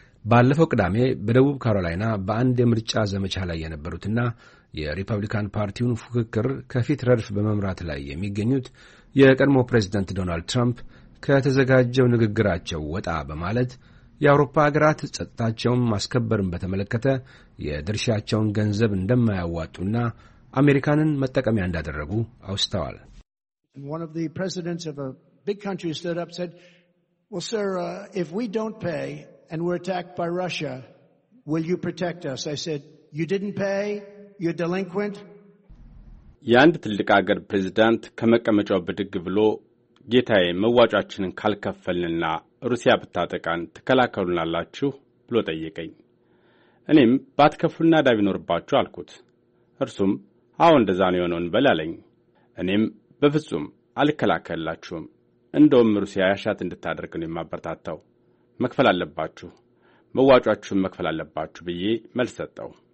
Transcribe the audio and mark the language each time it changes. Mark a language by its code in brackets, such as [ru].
[am] ባለፈው ቅዳሜ በደቡብ ካሮላይና በአንድ የምርጫ ዘመቻ ላይ የነበሩትና የሪፐብሊካን ፓርቲውን ፉክክር ከፊት ረድፍ በመምራት ላይ የሚገኙት የቀድሞ ፕሬዚደንት ዶናልድ ትራምፕ ከተዘጋጀው ንግግራቸው ወጣ በማለት የአውሮፓ ሀገራት ጸጥታቸውን ማስከበርን በተመለከተ የድርሻቸውን ገንዘብ እንደማያዋጡና አሜሪካንን መጠቀሚያ እንዳደረጉ አውስተዋል። [en] One of the presidents of a big country stood up said, "Well, sir, if we don't pay and we're attacked by Russia, will you protect us?" I said, "You didn't pay, you're delinquent." [am] ያንድ ትልቅ አገር ፕሬዝዳንት ከመቀመጫው በድግ ብሎ ጌታዬ መዋጮአችንን ካልከፈልንና ሩሲያ ብታጠቃን ተከላከሉናላችሁ ብሎ ጠየቀኝ። እኔም ባትከፍሉና ዳቢኖርባችሁ አልኩት። እርሱም አው እንደዛ ነው የሆነውን በላለኝ። እኔም በፍጹም አልከላከላችሁም፣ እንደውም ሩሲያ ያሻት እንድታደርግ ነው የማበረታታው። መክፈል አለባችሁ፣ መዋጮአችሁን መክፈል አለባችሁ ብዬ መልስ ሰጠው።